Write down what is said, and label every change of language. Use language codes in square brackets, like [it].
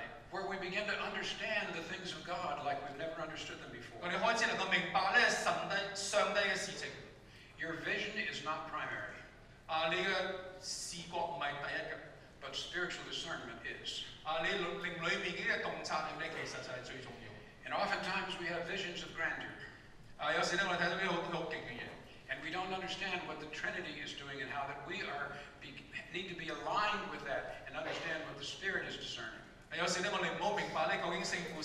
[en] Where we begin to understand the things of God like we've never understood them before. [yue] 我哋開始能夠明白咧神嘅上帝嘅事情。 [en] Your vision is not primary. [yue] 你嘅視覺唔係第一嘅。 [en] But spiritual discernment is. [yue] 你靈裏面嘅洞察力咧，其實就係最重要。 [en] And oftentimes we have visions of grandeur. [yue] 有時咧，我哋睇到啲好勁嘅嘢。 [en] And we don't understand what the Trinity is doing and how that we are need to be aligned with that and understand what the Spirit is discerning. [yue] 有時咧，我哋唔好明白咧，究竟聖。